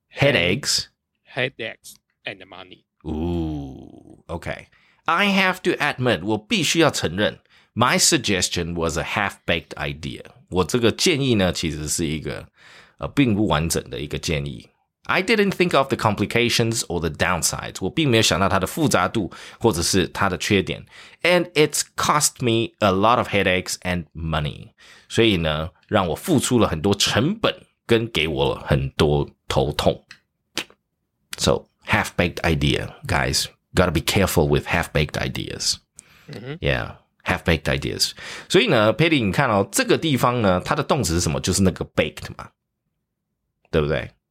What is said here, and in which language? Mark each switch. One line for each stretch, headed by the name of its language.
English: headaches and money. Ooh, okay. I have to admit,
Chinese: 我必须要承认。
English: My suggestion was a half-baked idea.
Chinese: 我这个建议呢，其实是一个并不完整的一个建议。
English: I didn't think of the complications or the downsides.
Chinese: 我并没有想到它的复杂度或者是它的缺点。
English: And it's cost me a lot of headaches and money.
Chinese: 所以呢，让我付出了很多成本跟给我了很多头痛。
English: So, half-baked idea, guys. Gotta be careful with half-baked ideas. Mm-hmm. Yeah. Half-baked ideas.
Chinese: 所以呢 Petty 你看哦，这个地方呢它的动词是什么，就是那个 baked 嘛，对不对？